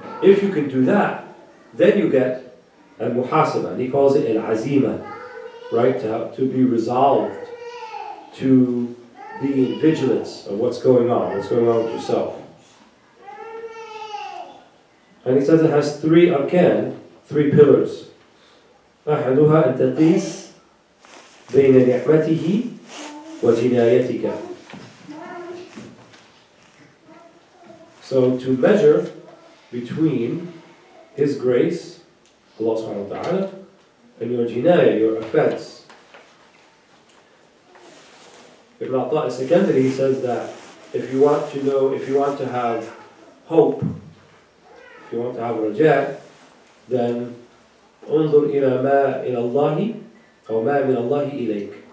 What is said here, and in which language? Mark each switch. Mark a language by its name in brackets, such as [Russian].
[English] If you can do that, then you get al-muhasaba, and he calls it al-azima, right, to be resolved, to be in vigilance of what's going on with yourself. And he says it has three arkan, three pillars. [Arabic] أحدها أن تقيس بين نعمته وجنايتك. [English] So to measure between His grace, Allah subhanahu wa ta'ala, and your jinaya, your offense. Ibn Atta' al-Sakandari, he says that if you want to have rajah, then [Arabic] انظر إلى ما إلى الله أو ما من الله إليك.